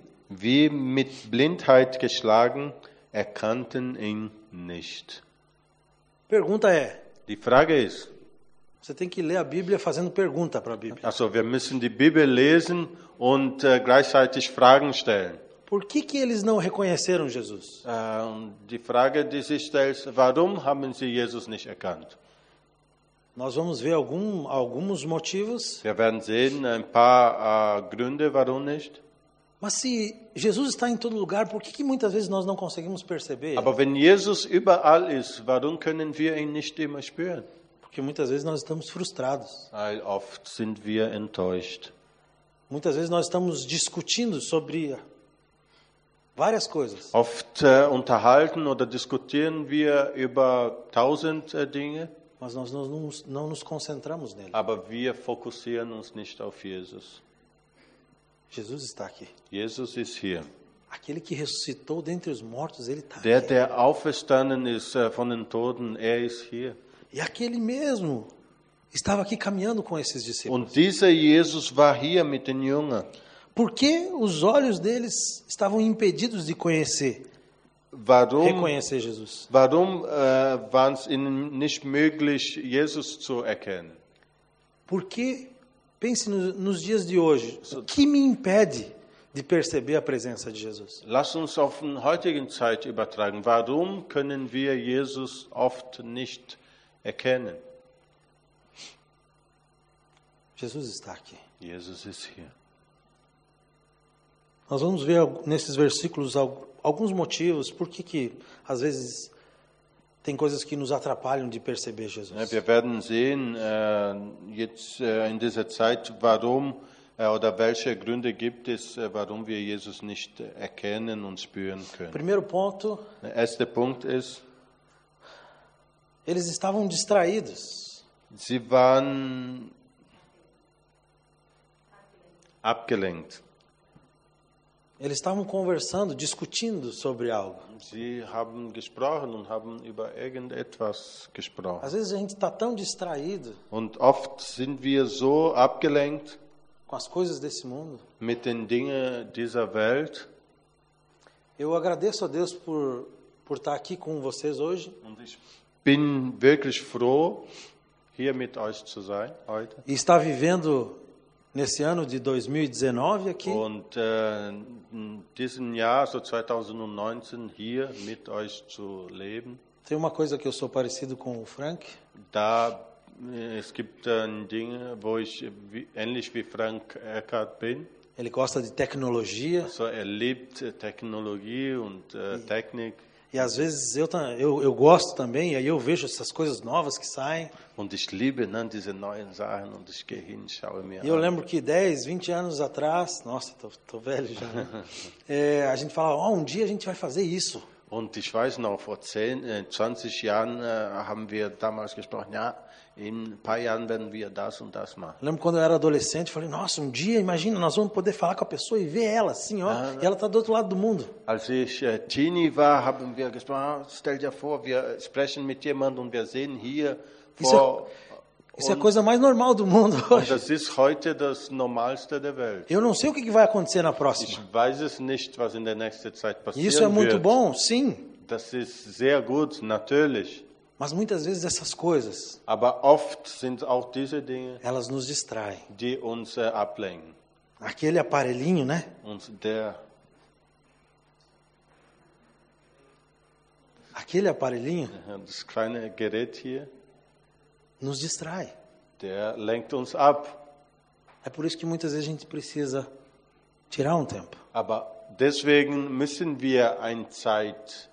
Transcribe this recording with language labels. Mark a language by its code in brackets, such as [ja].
[de] Wie mit Blindheit geschlagen, erkannten ihn nicht. [pt] Pergunta é. [de] Die Frage ist. [pt] Você tem que ler a Bíblia fazendo pergunta para a Bíblia. [de] Also, wir müssen die Bibel lesen und gleichzeitig Fragen stellen. [pt] Por que que eles não reconheceram Jesus? [de] Die Frage, die sich stellt, warum haben sie Jesus nicht erkannt? [pt] Nós vamos ver alguns motivos. [de] Wir werden sehen ein paar Gründe, warum nicht. [pt] Mas se Jesus está em todo lugar, por que muitas vezes nós não conseguimos perceber? [de] Aber wenn Jesus überall ist, warum können wir ihn nicht immer spüren? [pt] Porque muitas vezes nós estamos frustrados. [de] Weil oft sind wir enttäuscht. [pt] Muitas vezes nós estamos discutindo sobre várias coisas. [de] Oft unterhalten oder diskutieren wir über tausend Dinge. [pt] Mas nós não nos concentramos nele. [de] Aber wir fokussieren uns nicht auf Jesus. [pt] Jesus está aqui. [de] Jesus ist hier. [pt] Aquele que ressuscitou dentre os mortos, ele está aqui. [de] Der auferstanden ist von den Toten, ist hier. [pt] E aquele mesmo estava aqui caminhando com esses discípulos. [de] Und dieser Jesus war hier mit den Jüngern. [pt] Por que os olhos deles estavam impedidos de conhecer? Reconhecer Jesus. [de] Warum war es ihnen nicht möglich, Jesus zu erkennen? [pt] Por que? Pense nos dias de hoje. O que me impede de perceber a presença de Jesus? [de] Lass uns auf den heutigen Zeit übertragen. Warum können wir Jesus oft nicht erkennen? [pt] Jesus está aqui. [de] Jesus ist hier. [pt] Nós vamos ver nesses versículos alguns motivos por que que às vezes tem coisas que nos atrapalham de perceber Jesus. [de] Wir werden sehen jetzt in dieser Zeit, warum oder welche Gründe gibt es, warum wir Jesus nicht erkennen und spüren können. [pt] Primeiro ponto. [de] Erster Punkt ist, [pt] eles estavam distraídos. [de] Sie waren abgelenkt. [pt] Eles estavam conversando, discutindo sobre algo. [de] Sie haben gesprochen und haben über irgendetwas gesprochen. [pt] Às vezes a gente está tão distraído. [de] Und oft sind wir so abgelenkt. [pt] Com as coisas desse mundo. [de] Mit den Dingen dieser Welt. [pt] Eu agradeço a Deus por estar aqui com vocês hoje. [de] Und ich bin wirklich froh, hier mit euch zu sein heute. [pt] E está vivendo nesse ano de 2019 aqui. [de] Und diesen Jahr, so 2019, hier mit euch zu leben. [pt] Tem uma coisa que eu sou parecido com o Frank. [de] Da, es gibt Dinge, wo ich ähnlich wie Frank Eckhardt bin. [pt] Ele gosta de tecnologia. [de] So, liebt Technologie und Technik. [pt] E às vezes eu gosto também, e aí eu vejo essas coisas novas que saem. [de] Und ich liebe, ne, diese neuen Sachen, und ich gehe hin, schaue mir an. [pt] E eu lembro que 10, 20 anos atrás, nossa, tô velho já, né? A gente falava, um dia a gente vai fazer isso. [de] Und ich weiß noch, vor 20 Jahren haben wir damals gesprochen, ja, in ein paar Jahren werden wir das und das machen. [pt] Lembro quando eu era adolescente, falei, nossa, dia, imagina, nós vamos poder falar com a pessoa e ver ela assim, ó, e ela está do outro lado do mundo. [de] Als ich teenie war, haben wir gesprochen, stell dir vor, wir sprechen mit jemandem und wir sehen hier vor... [pt] Isso é a coisa mais normal do mundo hoje. [de] Das ist heute das Normalste der Welt. [pt] Eu não sei o que vai acontecer na próxima. [de] Ich weiß es nicht, was in der nächsten Zeit passieren wird. [pt] Isso é muito bom, sim. [de] Das ist sehr gut, natürlich. [pt] Mas muitas vezes essas coisas, [de] aber oft sind auch diese Dinge, [pt] elas nos distraem. [de] Die uns ablenken. [pt] Aquele aparelhinho, né? [de] Und der... [pt] Aquele aparelhinho. [de] Das kleine Gerät hier. [pt] Nos distrai. [de] Der lenkt uns ab. [pt] É por isso que muitas vezes a gente precisa tirar tempo. [de] Aber deswegen müssen wir ein Zeit nehmen.